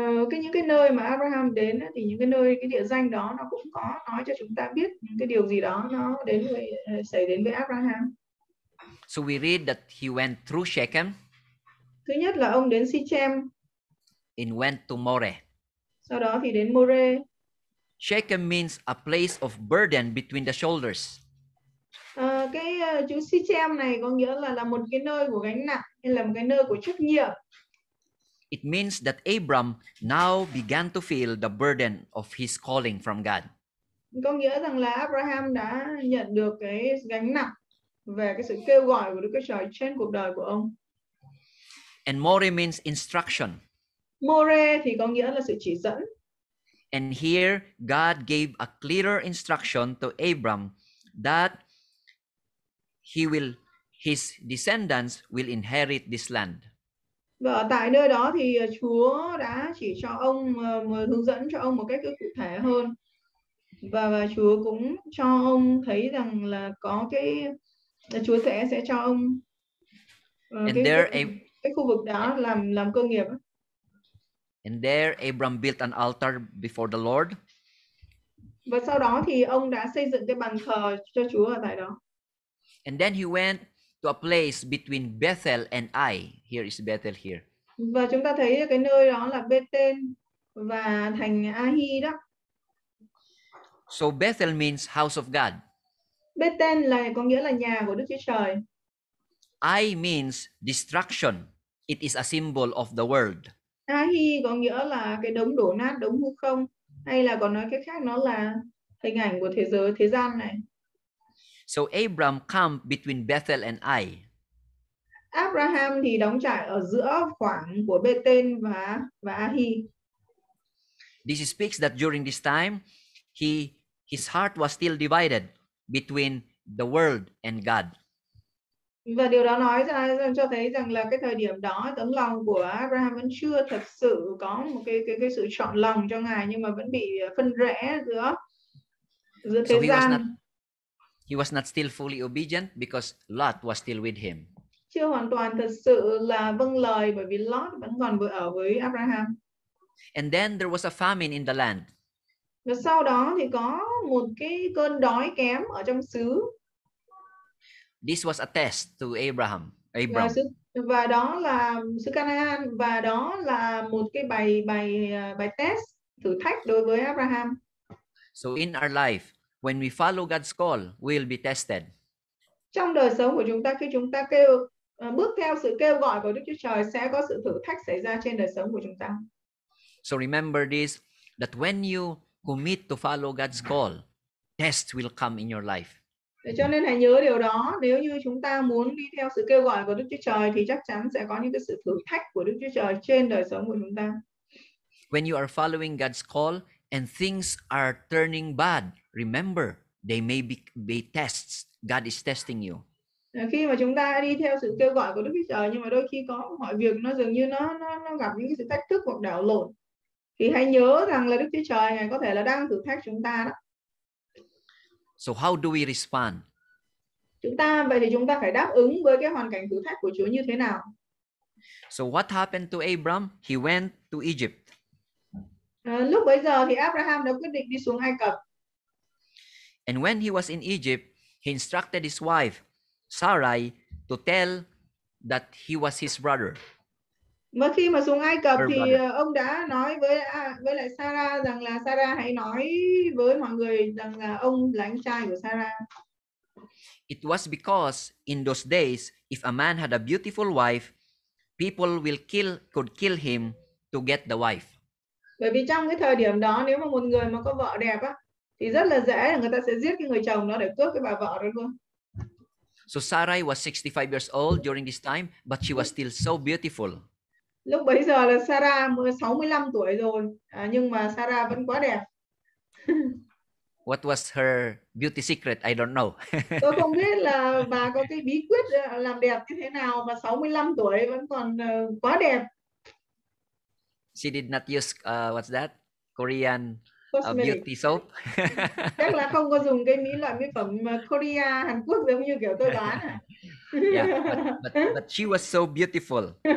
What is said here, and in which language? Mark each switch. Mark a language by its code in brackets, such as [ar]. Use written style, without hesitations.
[vi] Cái những cái nơi mà Abraham đến thì những cái nơi, cái địa danh đó nó cũng có nói cho chúng ta biết những cái điều gì đó nó đến với, xảy đến với Abraham. [en] So we read that he went through Shechem. [vi] Thứ nhất là ông đến Shechem. [en] And went to More. [vi] Sau đó thì đến More. [en] Shechem means a place of burden between the shoulders. [vi] Chữ Shechem này có nghĩa là một cái nơi của gánh nặng hay là một cái nơi của trách nhiệm. [en] It means that Abram now began to feel the burden of his calling from God. [vi] Có nghĩa rằng là Abraham đã nhận được cái gánh nặng về cái sự kêu gọi của Đức Chúa Trời trên cuộc đời của ông. [en] And more means instruction. [vi] More thì có nghĩa là sự chỉ dẫn. [en] And here God gave a clearer instruction to Abram that he will, his descendants will inherit this land. [vi] Và ở tại nơi đó thì Chúa đã chỉ cho ông, hướng dẫn cho ông một cách cụ thể hơn. Và Chúa cũng cho ông thấy rằng là có cái là Chúa sẽ cho ông cái khu vực đó làm cơ nghiệp. [en] And there Abram built an altar before the Lord. [vi] Và sau đó thì ông đã xây dựng cái bàn thờ cho Chúa ở tại đó. [en] And then he went to a place between Bethel and Ai. Here is Bethel here. [vi] Và chúng ta thấy cái nơi đó là Bethel và thành Ai đó. [en] So Bethel means house of God. [vi] Bethel là có nghĩa là nhà của Đức Chúa Trời. [en] Ai means destruction. It is a symbol of the world. [vi] Ai có nghĩa là cái đống đổ nát, đống hư không, hay là còn nói cách khác nó là hình ảnh của thế giới, thế gian này. [en] So Abram camped between Bethel and Ai. [vi] Abraham thì đóng trại ở giữa khoảng của Bethel và Ai. [en] This speaks that during this time, his heart was still divided between the world and God. [vi] Và điều đó nói ra cho thấy rằng là cái thời điểm đó tấm lòng của Abraham vẫn chưa thật sự có một cái sự chọn lòng cho Ngài, nhưng mà vẫn bị phân rẽ giữa thế gian. [en] He was not still fully obedient because Lot was still with him. [vi] Chưa hoàn toàn thật sự là vâng lời bởi vì Lot vẫn còn ở với Abraham. [en] And then there was a famine in the land. [vi] Và sau đó thì có một cái cơn đói kém ở trong xứ. [en] This was a test to Abraham. [vi] Và đó là xứ Canaan, và đó là một cái bài test, thử thách đối với Abraham. [en] So in our life, when we follow God's call, we'll be tested. [vi] Trong đời sống của chúng ta, khi chúng ta kêu bước theo sự kêu gọi của Đức Chúa Trời, sẽ có sự thử thách xảy ra trên đời sống của chúng ta. [en] So remember this, that when you commit to follow God's call, tests will come in your life. [vi] Cho nên hãy nhớ điều đó, nếu như chúng ta muốn đi theo sự kêu gọi của Đức Chúa Trời thì chắc chắn sẽ có những cái sự thử thách của Đức Chúa Trời trên đời sống của chúng ta. [en] When you are following God's call and things are turning bad, remember they may be tests. God is testing you. [vi] Khi mà chúng ta đi theo sự kêu gọi của Đức Chúa Trời nhưng mà đôi khi có mọi việc nó dường như nó gặp những cái sự thách thức hoặc đảo lộn, thì hãy nhớ rằng là Đức Chúa Trời này có thể là đang thử thách chúng ta đó. [en] So how do we respond? [vi] Vậy thì chúng ta phải đáp ứng với cái hoàn cảnh thử thách của Chúa như thế nào? [en] So what happened to Abram? He went to Egypt. [vi] Lúc bấy giờ thì Abraham đã quyết định đi xuống Ai Cập. [en] And when he was in Egypt, he instructed his wife Sarai to tell that he was his brother. [vi] Mà khi mà xuống Ai Cập thì ông đã nói với lại Sarah rằng là Sarah hãy nói với mọi người rằng là ông là anh trai của Sarah. [en] It was because in those days if a man had a beautiful wife, people could kill him to get the wife. [vi] Bởi vì trong cái thời điểm đó nếu mà một người mà có vợ đẹp á thì rất là dễ là người ta sẽ giết cái người chồng đó để cướp cái bà vợ đó luôn. [en] So Sarai was 65 years old during this time, but she was still so beautiful. [vi] Lúc bấy giờ là Sarah 65 tuổi rồi, nhưng mà Sarah vẫn quá đẹp. [en] What was her beauty secret? I don't know. [vi] Tôi không biết là bà có cái bí quyết làm đẹp như thế nào mà 65 tuổi vẫn còn quá đẹp. [en] She did not use Korean beauty soap. [vi] Chắc là không có dùng cái mỹ phẩm Korea Hàn Quốc giống như kiểu tôi đoán à. [en] Yeah, but she was so beautiful.